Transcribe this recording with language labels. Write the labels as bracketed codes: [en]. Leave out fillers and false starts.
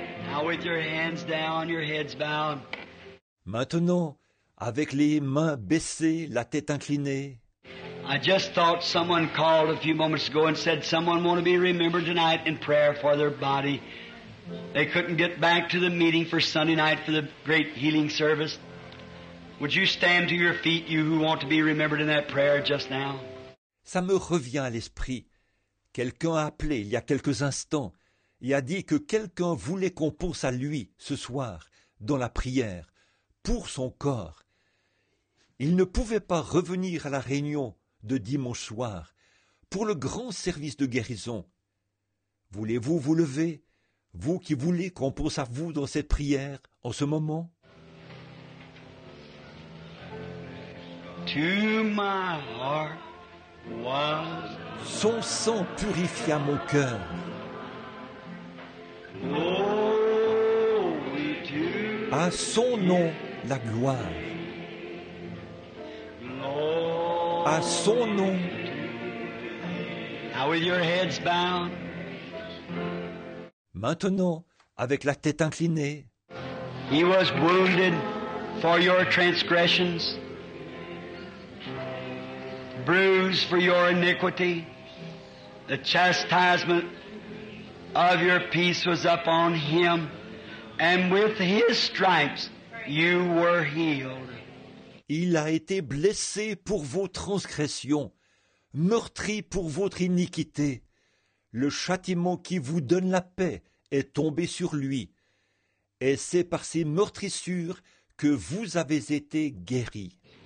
[en] Now with your hands down, your heads bowed. [fr] Maintenant, avec les mains baissées, la tête inclinée. [en] I just thought someone called a few moments ago and said someone want to be remembered tonight in prayer for their body. They couldn't get back to the meeting for Sunday night for the great healing service. Would you stand to your feet, you who want to be remembered in that prayer just now? [fr] Ça me revient à l'esprit. Quelqu'un a appelé il y a quelques instants et a dit que quelqu'un voulait qu'on pense à lui ce soir dans la prière pour son corps. Il ne pouvait pas revenir à la réunion de dimanche soir pour le grand service de guérison. Voulez-vous vous lever, vous qui voulez qu'on pense à vous dans cette prière en ce moment? [en] To my heart was... [fr] Son sang purifia mon cœur. [en] Glory to... [fr] À son nom, la gloire. [en] Glory [fr] à son nom. [en] To... Now with your heads bound. [fr] Maintenant, avec la tête inclinée. [en] He was wounded for your transgressions. Bruised for your iniquity, the chastisement of your peace was upon him, and with his stripes you were healed. [fr] Il a été blessé pour vos transgressions, meurtri pour votre iniquité. Le châtiment qui vous donne la paix est tombé sur lui, et c'est par ses meurtrissures que vous avez été guéri.